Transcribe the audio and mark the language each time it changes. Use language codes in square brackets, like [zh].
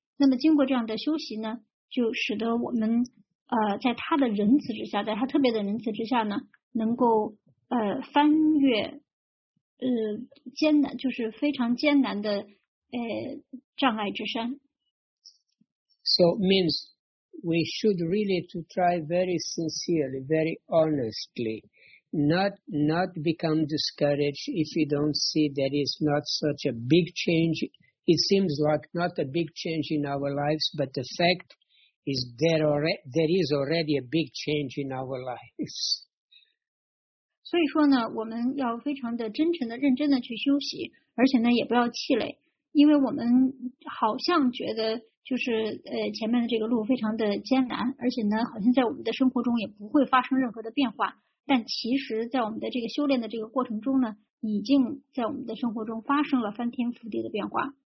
[zh] 那么经过这样的修习呢，就使得我们在他的仁慈之下，在他特别的仁慈之下呢，能够翻越艰难，就是非常艰难的障碍之山。 [en] So means. We should really to try very sincerely, very honestly, not become discouraged if you don't see that it's not such a big change. It seems like not a big change in our lives, but the fact is there is already a big change in our lives. [zh] 所以说呢，我们要非常的真诚的、认真的去修习，而且呢，也不要气馁，因为我们好像觉得。就是前面的这个路非常的艰难，而且呢，好像在我们的生活中也不会发生任何的变化。但其实，在我们的这个修炼的这个过程中呢，已经在我们的生活中发生了翻天覆地的变化。